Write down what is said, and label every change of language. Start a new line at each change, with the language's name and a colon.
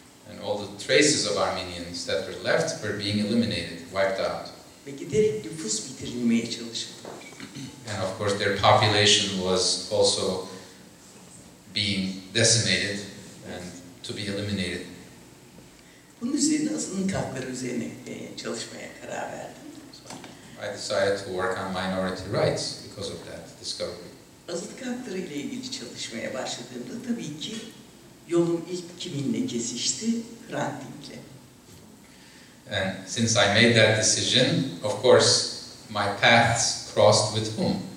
English: And all the traces of Armenians that were left were being eliminated, wiped out.
Turkish: Ve giderek nüfus bitirilmeye çalışılıyor.
English: And of course their population was also being decimated and to be eliminated.
Turkish: Bunun üzerine azınlık hakları üzerine çalışmaya karar verdim.
English: So I decided to work on minority rights because of that discovery.
Turkish: Azınlık hakları ile ilgili çalışmaya başladığımda tabii ki yolum ilk kiminle kesişti? Hrant Dink'le.
English: And since I made that decision, of course my paths crossed with whom?